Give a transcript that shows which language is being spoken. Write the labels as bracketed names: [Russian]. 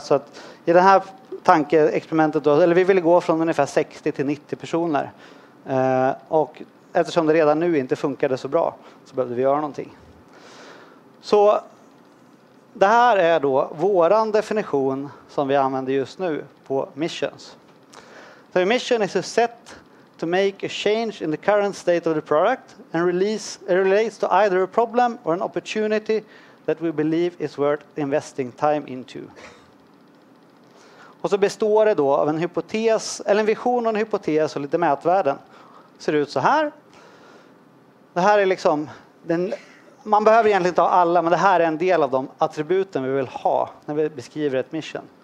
[Swedish] Så att i det här tankeexperimentet då, eller vi ville gå från ungefär 60 till 90 personer. Och eftersom det redan nu inte funkade så bra så behövde vi göra någonting. Så det här är då våran definition som vi använder just nu på missions. [English] So mission is a set to make a change in the current state of the product and relates to either a problem or an opportunity that we believe is worth investing time into. [Swedish] Och så består det då av en hypotes, eller en vision och en hypotes och lite mätvärden. Ser ut så här. Det här är liksom, man behöver egentligen inte ha alla, men det här är en del av de attributen vi vill ha när vi beskriver ett mission.